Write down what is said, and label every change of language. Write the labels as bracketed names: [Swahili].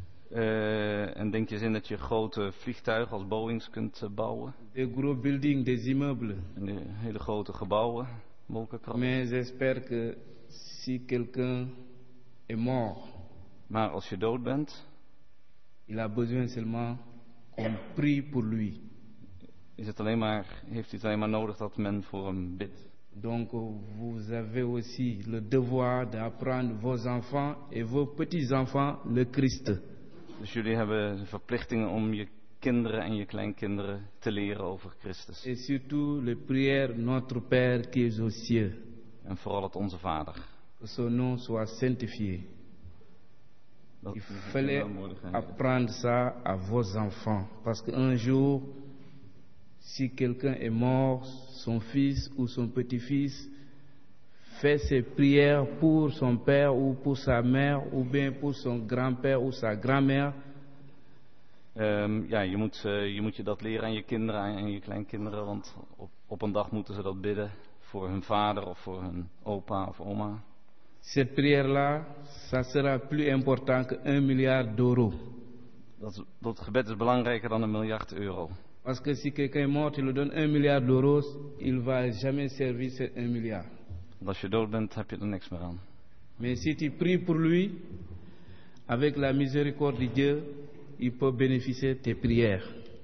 [Dutch] En denk je eens in dat je grote vliegtuigen als Boeings kunt bouwen. [French] Des gros buildings, des immeubles. [Dutch] En de hele grote gebouwen, wolkenkrabben. [French] Mais j'espère que si quelqu'un est mort. [Dutch] Maar als je dood bent. [French] Il a besoin seulement qu'on prie pour lui. [Dutch] Is het alleen maar, heeft hij het alleen maar nodig dat men voor hem bidt? [French] Donc vous avez aussi le devoir d'apprendre vos enfants et vos petits-enfants le Christ. [Dutch] Dus jullie hebben de verplichting om je kinderen en je kleinkinderen te leren over Christus. [French] Et surtout le prière notre Père qui est aux cieux. [Dutch] En vooral het onze Vader. [French] Que son nom soit sanctifié. Il fallait apprendre ça à vos enfants parce qu'un jour si quelqu'un est mort, son fils ou son petit-fils fait ses prières pour son père ou pour sa mère ou bien pour son grand-père ou sa grand-mère. [Dutch] Ja, je moet je dat leren aan je kinderen en je kleinkinderen, want op een dag moeten ze dat bidden voor hun vader of voor hun opa of oma. [French] Cette prière-là, ça sera plus important que 1 milliard d'euros. [Dutch] Dat gebed is belangrijker dan 1 miljard euro. [French] Parce que si quelqu'un est mort, il lui donne 1 milliard d'euros, il va jamais servir ces 1 milliard. [Dutch] Want als je dood bent, heb je er niks meer aan. [French] Mais si tu pries pour lui, avec la miséricorde de Dieu, il peut bénéficier tes prières.